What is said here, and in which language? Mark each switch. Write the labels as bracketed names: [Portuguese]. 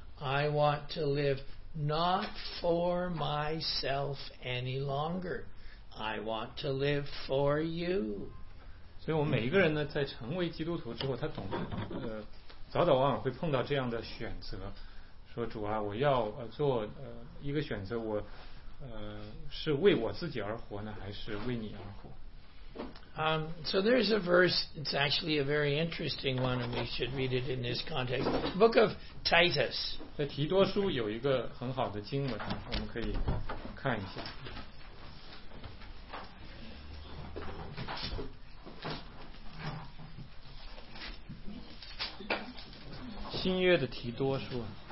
[English] I want to live not for myself any longer. I want to live for you. [Chinese] 所以我们每一个人呢，在成为基督徒之后，他总早早晚晚会碰到这样的选择，说主啊，我要做一个选择，我是为我自己而活呢，还是为你而活？ [English] So there's a verse, it's actually a very interesting one, and we should read it in this context. The book of Titus. Titus 2:1.